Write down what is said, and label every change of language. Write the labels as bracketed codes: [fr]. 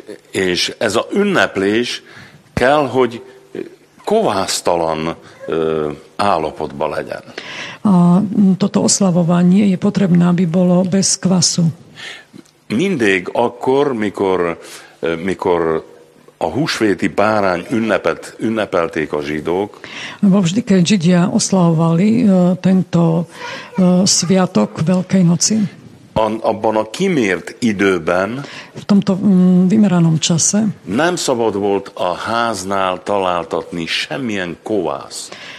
[hu] És ez a ünneplés kell, hogy kovásztalan állapotba legyen. [sk] A toto oslavovanie je potrebné, aby bolo bez kvasu. [hu] Mindig akkor, mikor a húsvéti bárány ünnepelték a zsidók. [sk] Vždy, keď židia oslavovali tento sviatok Veľkej noci. [hu] Abban a kimért időben [sk] v tomto vymeranom čase [hu] nem szabad volt a háznál találtatni semmilyen kovászt.